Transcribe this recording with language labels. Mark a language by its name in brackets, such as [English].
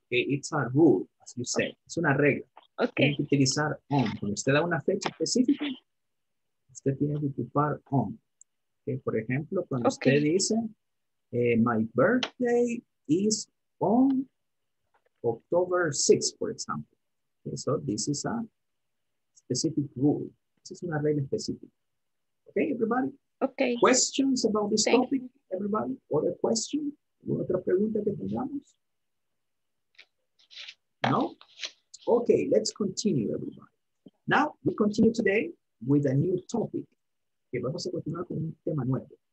[English] Okay, it's a rule, as you say, okay. [Spanish] Es una regla. [English] Okay. [Spanish] Tiene que utilizar on. Cuando usted da una fecha específica, usted tiene que ocupar on. [English] Okay, for example, when [Spanish] usted dice, [English] my birthday is on October 6th, for example. Okay, so this is a specific rule. This is [Spanish] una regla específica. [English] Okay, everybody? Okay. Questions about this topic, everybody? Other question? [Spanish] ¿Otra pregunta que tengamos? [English] No? Okay, let's continue, everybody. Now, we continue today with a new topic. [Spanish] Okay, vamos a continuar con un tema nuevo.